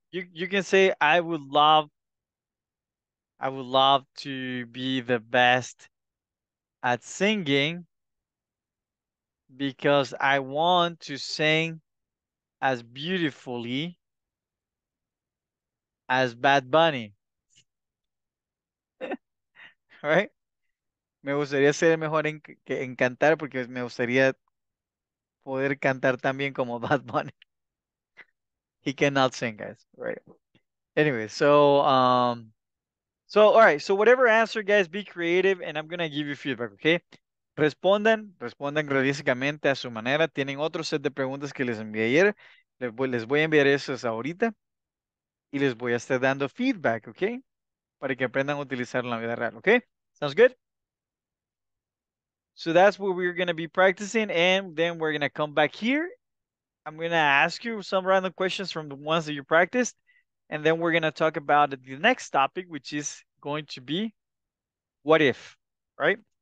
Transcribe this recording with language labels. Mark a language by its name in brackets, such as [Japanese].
[English] You can say I would love to be the best at singing because I want to sing as beautifully as Bad Bunny. Right? [Spanish] Me gustaría ser mejor en cantar porque me gustaría poder cantar también como Bad Bunny. [English] He cannot sing, guys, right? Anyway, so all right. So whatever answer, guys, be creative, and I'm going to give you feedback, okay? [Spanish] Respondan realísticamente a su manera. Tienen otro set de preguntas que les envié ayer. Les voy a enviar esas ahorita. y les voy a estar dando feedback, ¿ok? Para que aprendan a utilizarlo en la vida real, ¿ok? [English] Sounds good? So that's what we're going to be practicing, and then we're going to come back here. I'm going to ask you some random questions from the ones that you practiced, and then we're going to talk about the next topic, which is going to be what if, right?